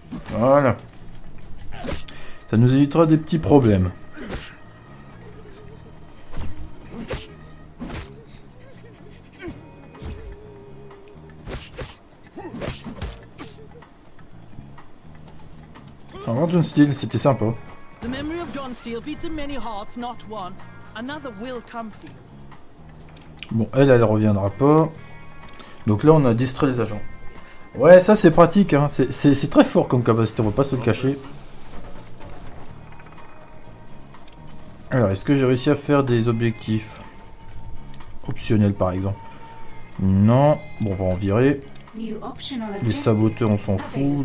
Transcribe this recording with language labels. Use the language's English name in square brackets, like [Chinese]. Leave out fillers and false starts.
[French] Voilà. Ça nous évitera des petits problèmes. Au revoir John Steele, c'était sympa. [English] The memory of John Steele beats in many hearts, not one. Another will come for you. [French] Bon, elle reviendra pas. Donc là on a distrait les agents. Ouais, ça c'est pratique, hein. C'est très fort comme capacité, on va pas se le cacher. Alors, est-ce que j'ai réussi à faire des objectifs optionnels par exemple? Non, bon, on va en virer. Les saboteurs, on s'en fout.